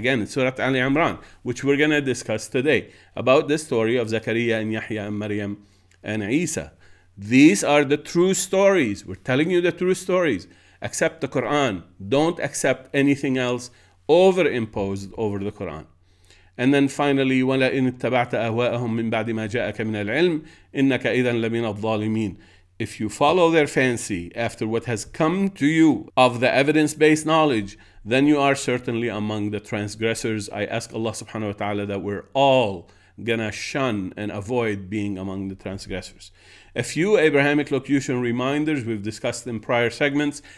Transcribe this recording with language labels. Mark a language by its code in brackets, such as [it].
[en] Again, Surah Ali Imran, which we're going to discuss today, about the story of Zakariya and Yahya and Maryam and Isa. These are the true stories. We're telling you the true stories. Accept the Quran. Don't accept anything else overimposed over the Quran. And then finally, [ar] وَلَئِنِ اتَّبَعْتَ أَهْوَاءَهُمْ مِنْ بَعْدِ مَا جَاءَكَ مِنَ الْعِلْمِ إِنَّكَ إِذًا لَمِنَ الظَّالِمِينَ. [en] If you follow their fancy after what has come to you of the evidence-based knowledge, then you are certainly among the transgressors. I ask Allah subhanahu wa ta'ala that we're all gonna shun and avoid being among the transgressors. A few Abrahamic locution reminders, we've discussed in prior segments.